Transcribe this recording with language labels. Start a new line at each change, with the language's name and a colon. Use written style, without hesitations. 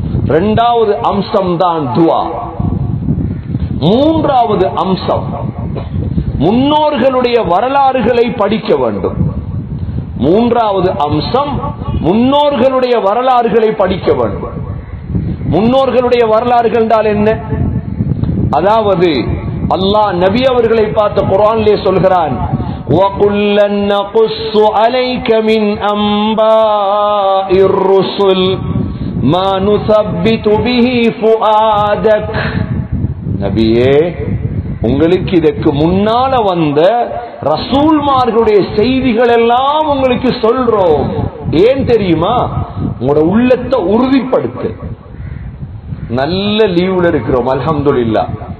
Tamil: இரண்டாவது அம்சம் தான் துவா. மூன்றாவது அம்சம், முன்னோர்களுடைய வரலாறுகளை படிக்க வேண்டும். மூன்றாவது அம்சம், முன்னோர்களுடைய வரலாறுகளை படிக்க வேண்டும். முன்னோர்களுடைய வரலாறுகள் என்றால் என்ன? அதாவது அல்லாஹ் நபி அவர்களை பார்த்து குர்ஆன்ல சொல்கிறான்,
Arabic: وَقُلَّنْ نَقُصُّ عَلَيْكَ مِنْ أَنْبَاءِ الرُّسُلْ مَا نُثَبِّتُ بِهِ فُؤَادَكَ.
Tamil: நபியே, உங்களுக்கு இதற்கு முன்னால வந்த ரசூல்மார்களுடைய செய்திகள் எல்லாம் உங்களுக்கு சொல்றோம். ஏன் தெரியுமா? உங்களோட உள்ளத்தை உறுதிப்படுத்த. நல்ல லீவுல இருக்கிறோம் அல்ஹம்துலில்லாஹ்.